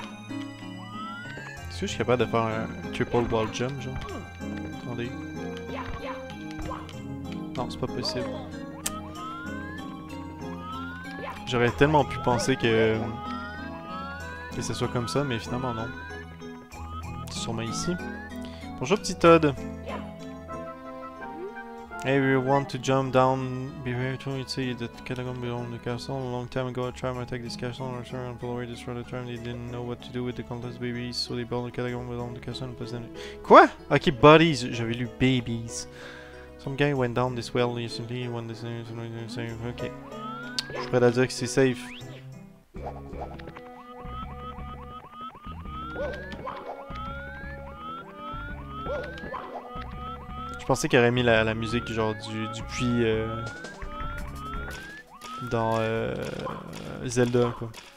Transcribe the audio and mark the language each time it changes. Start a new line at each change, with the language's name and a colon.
French: Est-ce que je suis capable de faire un triple wall jump, genre? Attendez. Non, c'est pas possible. J'aurais tellement pu penser que... que ce soit comme ça, mais finalement non. C'est sûrement ici. Bonjour petit Todd.
English: Hey, we want to jump down behind you to see the catacomb beyond the castle. A long time ago, a tribe attacked this castle and returned and followed this rather tribe. They didn't know what to do with the countless babies, so they built the catacomb beyond the castle and placed them.
French: Quoi?
English: Ok, bodies.
French: J'avais lu
English: babies. Some guy went down this well recently when this.
French: Ok. Je suis prêt à dire que c'est safe. Je pensais qu'il aurait mis la musique genre du puits dans Zelda quoi.